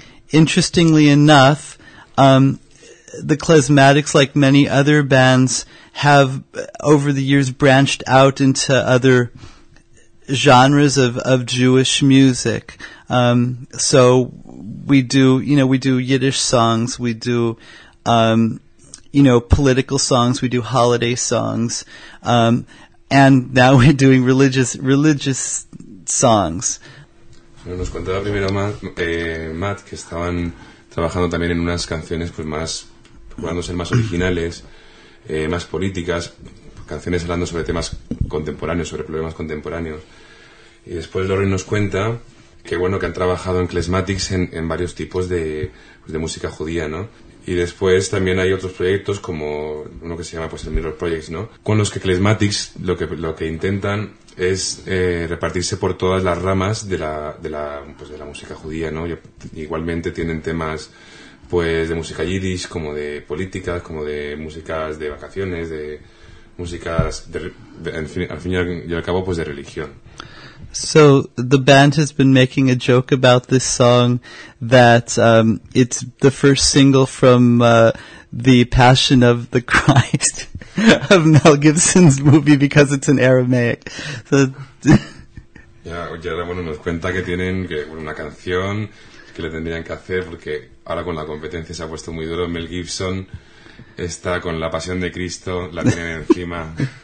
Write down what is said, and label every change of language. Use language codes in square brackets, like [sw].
[en] Interestingly enough, the Klezmatics, like many other bands, have over the years branched out into other genres of Jewish music. So we do, you know, we do Yiddish songs, we do, you know, political songs, we do holiday songs, and now we're doing religious songs. [es] Nos contaba primero Matt que estaban trabajando también en unas canciones pues más procurando ser más originales, más políticas, canciones hablando sobre temas contemporáneos, sobre problemas contemporáneos. Y después Lauren nos cuenta que bueno que han trabajado en Klezmatics en varios tipos de pues de música judía, ¿no? Y después también hay otros proyectos como uno que se llama pues el Mirror Projects, ¿no? Con los que Klezmatics lo que intentan es repartirse por todas las ramas de la música judía, ¿no? Igualmente tienen temas pues de música yiddish, como de políticas, como de músicas de vacaciones, de músicas al fin y al cabo pues de religión. [en] So the band has been making a joke about this song that it's the first single from The Passion of the Christ of Mel Gibson's movie because it's in Aramaic. So [es] ya ahora bueno nos cuenta que tienen que una canción que le tendrían que hacer porque ahora con la competencia se ha puesto muy duro Mel Gibson está con la Pasión de Cristo la tienen encima.